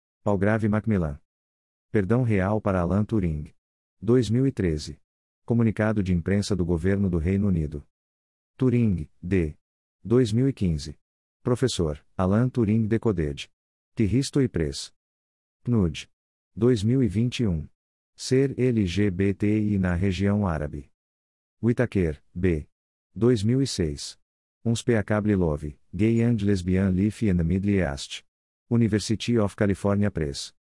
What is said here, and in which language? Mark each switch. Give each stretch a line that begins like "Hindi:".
Portuguese: Palgrave Macmillan. Perdão Real para Alan Turing. 2013. Comunicado de imprensa do Governo do Reino Unido. Turing, D. 2015. Professor, Alan Turing Decoded. Tihisto e Pres. PNUD. 2021. Ser LGBTI na região árabe. Whitaker, B. 2006.
English: Unspeakable Love, Gay and Lesbian Life in the Middle East. University of California Press.